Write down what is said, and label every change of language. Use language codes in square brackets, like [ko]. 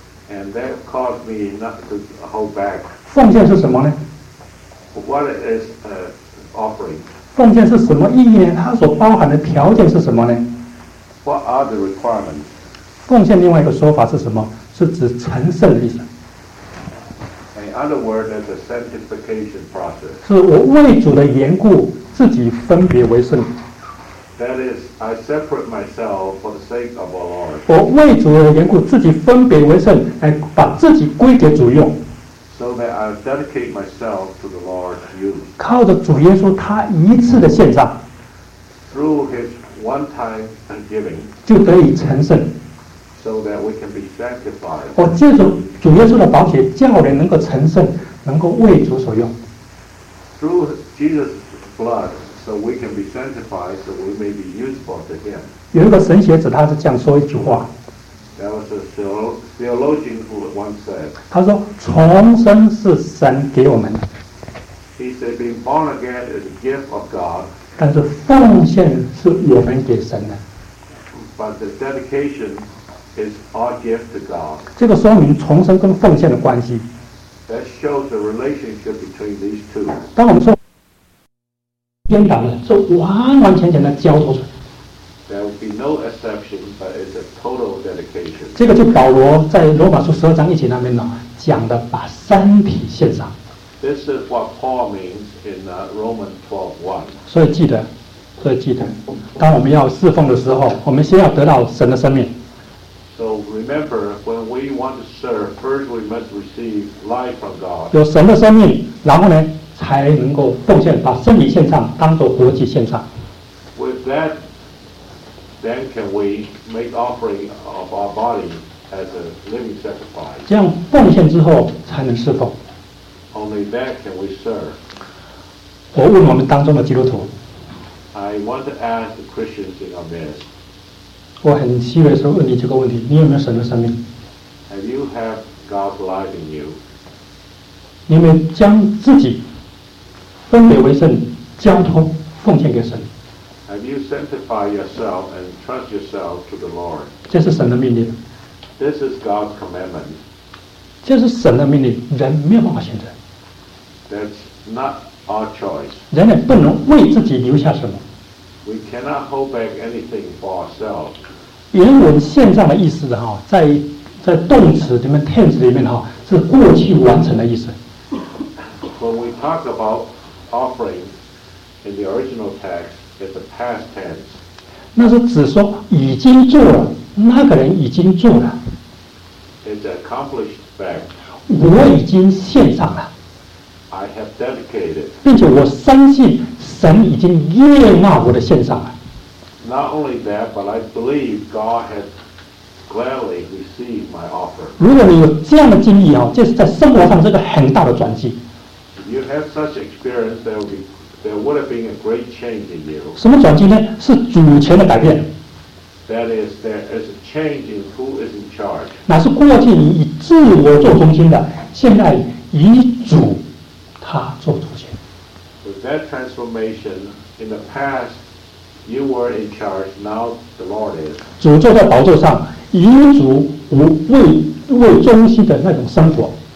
[en] And that caused me not to hold back. [zh] 奉献是什么呢 [en] ？What is offering? [zh] 奉献是什么意义呢？它所包含的条件是什么呢 [en] ？What are the requirements? [zh] 奉献另外一个说法是什么？是指成圣的意思。 [en] In other words, it's a sanctification process. [zh] 是我为主的缘故，自己分别为圣。 [en] That is, I separate myself for the sake of our Lord. [zh] 我为主的缘故，自己分别为圣，来把自己归给主用。 [en] so that I dedicate myself to the Lord's use. [zh] 靠着主耶稣他一次的献上 [en] through his one time and giving, [zh] 就得以成圣 [en] so that we can be sanctified. [zh] 我借着主耶稣的宝血叫人能够成圣，能够为主所用 [en] through Jesus' blood, so we can be sanctified, so we may be useful to him. [zh] 有一个神学者他是这样说一句话， [en] That was a theologian who once said, [zh] 他说重生是神给我们的。 [en] He said, being born again is a gift of God. [zh] 但是奉献是我们给神的。 [en] But the dedication is our gift to God. [zh] 这个说明重生跟奉献的关系。 [en] That shows the relationship between these two. [zh] 当我们说颠倒了，是完完全全的交托出来。 [en] There will be no exception, but it's a total dedication. [zh] 这个就保罗在罗马书十二章一节那边呢讲的，把身体献上。 [en] This is what Paul means in Romans 12:1. [zh] 所以记得，所以记得，当我们要侍奉的时候，我们先要得到神的生命。 [en] So remember, when we want to serve, first we must receive life from God. [zh] 有神的生命，然后呢才能够奉献，把身体献上，当做活祭献上。 [en] With that. Then can we make offering of our body as a living sacrifice? [zh] 这样奉献之后才能侍奉。 [en] Only that can we serve. [zh] 我问我们当中的基督徒。 [en] I want to ask the Christians in our midst. [zh] 我很虚伪说问你这个问题，你有没有神的生命？ [en] Have you have God's life in you? [zh] 你有没有将自己分别为圣，交托奉献给神？ [en] Have you sanctified yourself and trust yourself to the Lord? [zh] 这是神的命令。 [en] This is God's commandment. [zh] 这是神的命令，人没有办法选择。 [en] That's not our choice. [zh] 人也不能为自己留下什么。 [en] We cannot hold back anything for ourselves. [zh] 原文现在的意思哈，在动词里面 tense 里面哈，是过去完成的意思。 [en] When we talk about offering in the original text. It's a past tense. [zh] 那是指说已经做了，那个人已经做了。 [en] It's an accomplished fact. [zh] 我已经献上了。 [en] I have dedicated. [zh] 并且我相信神已经悦纳我的献上了。 [en] Not only that, but I believe God has gladly received my offer. [zh] 如果你有这样的经历啊，这是在生活上是个很大的转机。 [en] If you have such experience, there will be. There would have been a great change in you. [zh] 什么转机呢？是主权的改变。 [en] That is, there is a change in who is in charge. [zh] 那是过去你以自我做中心的，现在以主他做中心。 [en] With that transformation, in the past, you were in charge. Now the Lord is. [zh] 主坐在宝座上，以主为中心的那种生活。